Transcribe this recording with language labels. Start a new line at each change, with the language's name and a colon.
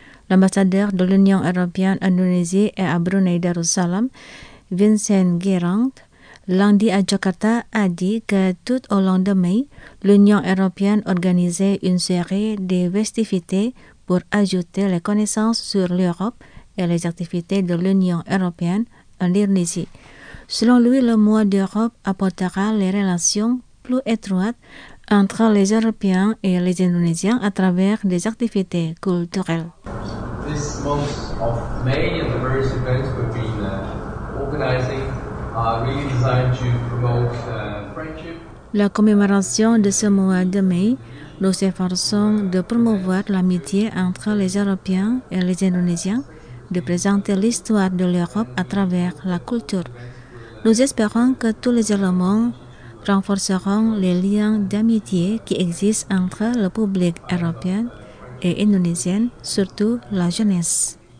French: L'ambassadeur de l'Union européenne en Indonésie et à Brunei Darussalam, Vincent Guérant, lundi à Jakarta, a dit que tout au long de mai, l'Union européenne organisait une série de festivités pour ajouter les connaissances sur l'Europe et les activités de l'Union européenne en Indonésie. Selon lui, le mois d'Europe apportera les relations plus étroites entre les Européens et les Indonésiens à travers des activités culturelles.
English: This month of May and the various events we've been organizing are really designed to promote friendship.
French: La commémoration de ce mois de mai Nous efforçons de promouvoir l'amitié entre les Européens et les Indonésiens, de présenter l'histoire de l'Europe à travers la culture. Nous espérons que tous les éléments renforceront les liens d'amitié qui existent entre le public européen et indonésien, surtout la jeunesse.